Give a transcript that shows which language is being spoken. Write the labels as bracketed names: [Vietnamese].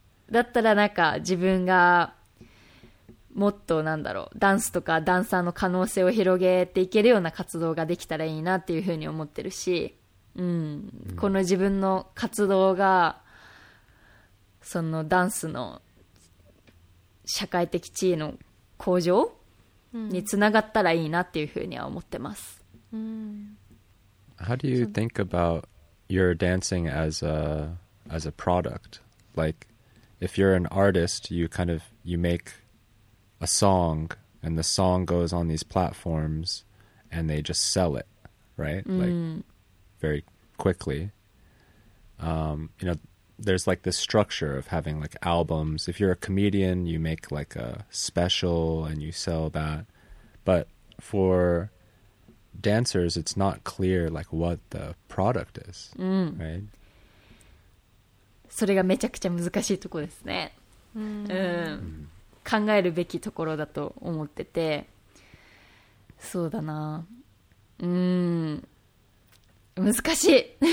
[Japanese] だったらなんか自分がもっとなんだろう、ダンスとかダンサーの可能性を広げていけるような活動ができたらいいなっていうふうに思ってるし、うんうん、この自分の活動がそのダンスの社会的地位の向上につながったらいいなっていうふうには思ってます。 [English] うん、How do you think about your dancing as a product? Like, if you're an artist, you make a song, and the song goes on these platforms, and they just sell it, right? Like, very quickly. You know, there's like this structure of having like albums. If you're a comedian, you make like a special and you sell that. But for dancers, it's not clear like what the product is, right? [Japanese] それがめちゃくちゃ難しいとこですね。考えるべきところだと思ってて、そうだな、難しい。